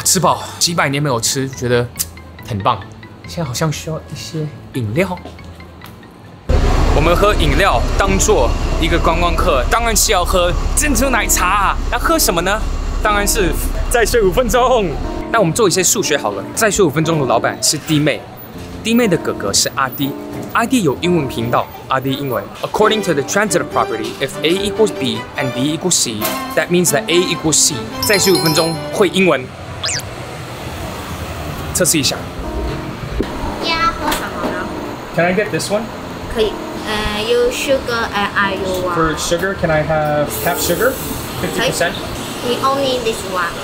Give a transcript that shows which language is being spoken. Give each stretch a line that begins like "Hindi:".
Chinese: 吃饱，几百年没有吃，觉得很棒。现在好像需要一些饮料，我们喝饮料当做一个观光客，当然是要喝珍珠奶茶。要喝什么呢？当然是再睡五分钟。那我们做一些数学好了。再睡五分钟的老板是弟妹，弟妹的哥哥是阿弟。阿弟有英文频道，阿弟英文。
English: According to the transitive property, if A equals B and B equals C, that means that A equals C.
Chinese: 再睡五分钟会英文，测试一下。要喝什么呢
English: ？Can I get this one?
Chinese: 可以。有
English: sugar and I you want. For sugar, can I have half sugar? 50%. We only this one.